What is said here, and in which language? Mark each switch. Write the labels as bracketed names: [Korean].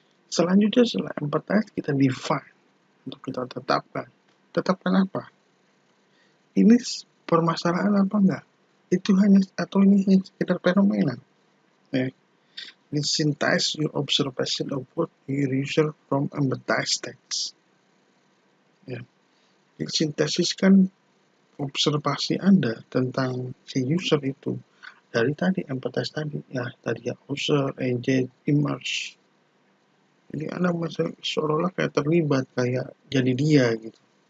[Indonesian] Selanjutnya, setelah empat tadi kita define. Untuk kita tetapkan. Tetapkan apa? Ini permasalahan apa enggak? Itu hanya atau ini hanya sekedar fenomena. Ya. [English] Ini synthesize your observation of what your user from empathized states. [Indonesian] Ya. Ini sintesiskan observasi Anda tentang si user itu dari tadi empathize tadi. Nah, tadi ya user, engage, immerse. Jadi Anda masih seolah-olah kayak terlibat, kayak jadi dia gitu.